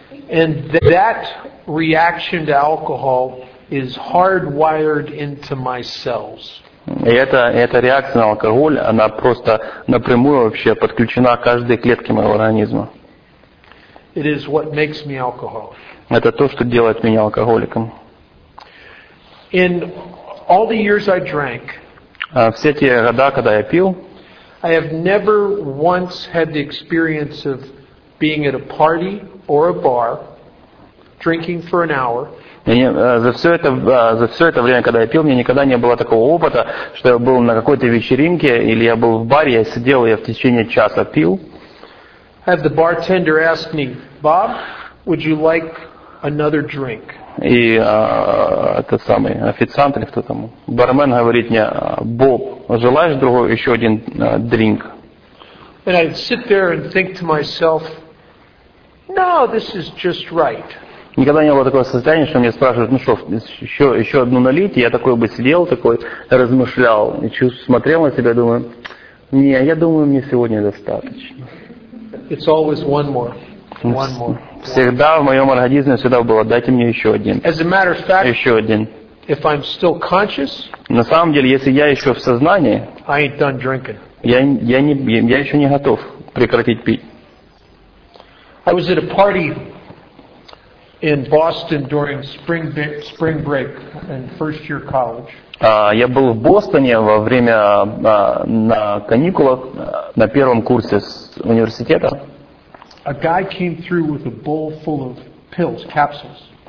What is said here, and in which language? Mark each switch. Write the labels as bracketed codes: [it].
[en] And that reaction to alcohol is hardwired into my cells. [ru] И эта реакция на алкоголь, она просто напрямую вообще подключена к каждой клетке моего организма. [en] It is what makes me alcoholic. [ru] Это то, что делает меня алкоголиком. [en] In all the years I drank, [ru] все те года, когда я пил, [en] I have never once had the experience of being at a party or a bar, drinking for an hour. [ru] За все это время, когда я пил, у меня никогда не было такого опыта, что я был на какой-то вечеринке или я был в баре, я сидел, я в течение часа пил. [en] Had the bartender ask me, Bob, would you like another drink? [ru] И этот самый официант или кто там, бармен говорит мне, Боб, желаешь другой еще один drink? [en] And I'd sit there and think to myself, no, this is just right. [ru] Никогда не было такого состояния, что мне спрашивают, ну что, еще одну налить? Я такой бы сидел, такой размышлял, и смотрел на себя, думаю, не, я думаю, мне сегодня достаточно. [en] It's always one more. One more. [ru] Всегда в моем организме всегда было, дайте мне еще один. [en] As a matter of fact, [ru] еще один. [en] If I'm still conscious, [ru] на самом деле, если я еще в сознании, [en] I ain't done drinking. [ru] Я еще не готов прекратить пить. [en] I was at a party in Boston during spring break and first year college. [ru] Я был в Бостоне во время на каникулах на первом курсе университета. [en] A guy came through with a bowl full of pills, capsules.